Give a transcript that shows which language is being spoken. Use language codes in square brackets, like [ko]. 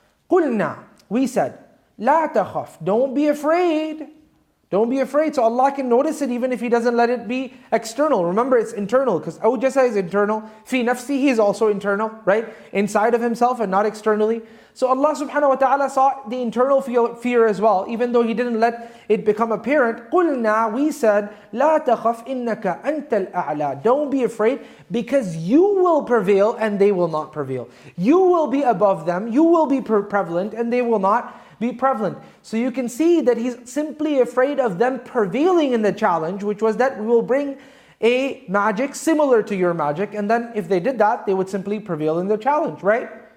[en] قُلْنَا, we said, [ar] لَا تَخَفْ, [en] don't be afraid. Don't be afraid. So Allah can notice it even if He doesn't let it be external. Remember, it's internal, because أَوْجَسَ is internal. [ar] فِي نَفْسِهِ [en] is also internal, right? Inside of himself and not externally. So Allah subhanahu wa ta'ala saw the internal fear as well, even though He didn't let it become apparent. [ar] قُلْنَا, [en] we said, [ar] لَا تَخَفْ إِنَّكَ أَنْتَ الْأَعْلَى. [en] Don't be afraid, because you will prevail and they will not prevail. You will be above them, you will be prevalent and they will not be prevalent. So you can see that he's simply afraid of them prevailing in the challenge, which was that we will bring a magic similar to your magic, and then if they did that, they would simply prevail in the challenge, right?